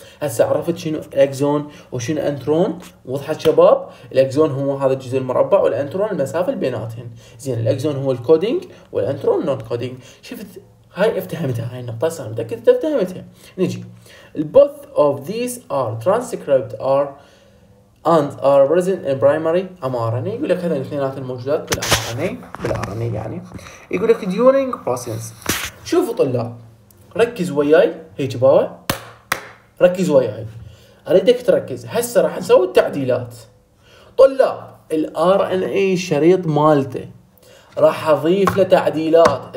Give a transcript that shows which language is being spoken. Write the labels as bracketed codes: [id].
[ar] هسه عرفت شنو الاكزون وشنو انترون؟ وضحت شباب؟ الاكزون هو هذا الجزء المربع، والانترون المسافه اللي بيناتهم. زين الاكزون هو الكودينج والانترون نون كودينج. شفت هاي؟ افتهمتها هاي النقطه، صار متاكد انت افتهمتها. نجي [en] البوث of these are transcript are and are present in primary mRNA. [ar] يقول لك هذا الاثنينات الموجودات بال mRNA يعني. يقول لك [en] during process. [ar] شوفوا طلاب ركز وياي هيك باوة. ركز وياي. أريدك تركز. هسه راح نسوي التعديلات. طلاب ال RNA شريط مالته راح أضيف له تعديلات.